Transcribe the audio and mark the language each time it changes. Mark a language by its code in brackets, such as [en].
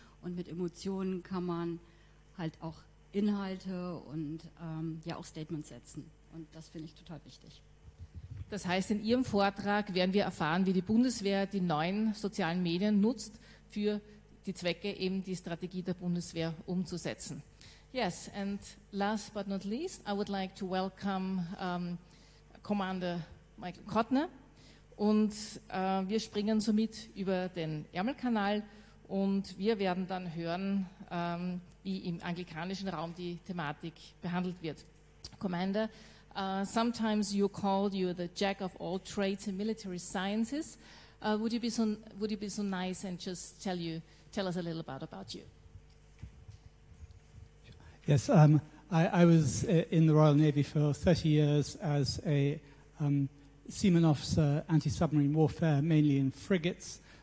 [de] Und mit Emotionen kann man halt auch Inhalte und auch Statements setzen. Und das finde ich total wichtig. Das heißt, in Ihrem Vortrag werden wir erfahren, wie die Bundeswehr die neuen sozialen Medien nutzt, für die Zwecke eben die Strategie der Bundeswehr umzusetzen. [en] Yes, and last but not least, I would like to welcome Commander Michael Kottner. [de] Und wir springen somit über den Ärmelkanal und wir werden dann hören, wie im anglikanischen Raum die Thematik behandelt wird. [en] Commander, sometimes you called you the jack of all trades in military sciences. Would you be so nice and just tell us a little about you? Yes, I was in the Royal Navy for 30 years as a seaman officer, anti-submarine warfare, mainly in frigates.